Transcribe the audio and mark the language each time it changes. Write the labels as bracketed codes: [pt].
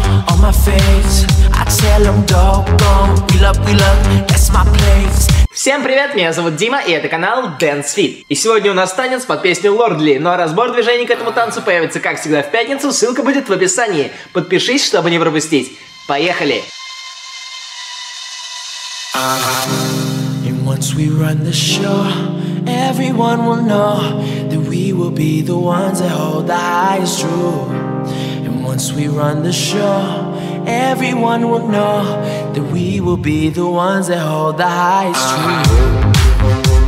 [en] On my face, I tell them doggone. We love, we love, that's my place. [ru] Всем привет, меня зовут Дима, и это канал Dance Fit. И сегодня у нас танец под песню Lordly. Ну а разбор движений к этому танцу появится, как всегда, в пятницу. Ссылка будет в описании. Подпишись, чтобы не пропустить. Поехали! [en] And once we run the show, everyone will know that we will be the ones that hold the highest true. And once we run the show, everyone will know that we will be the ones that hold the highest true.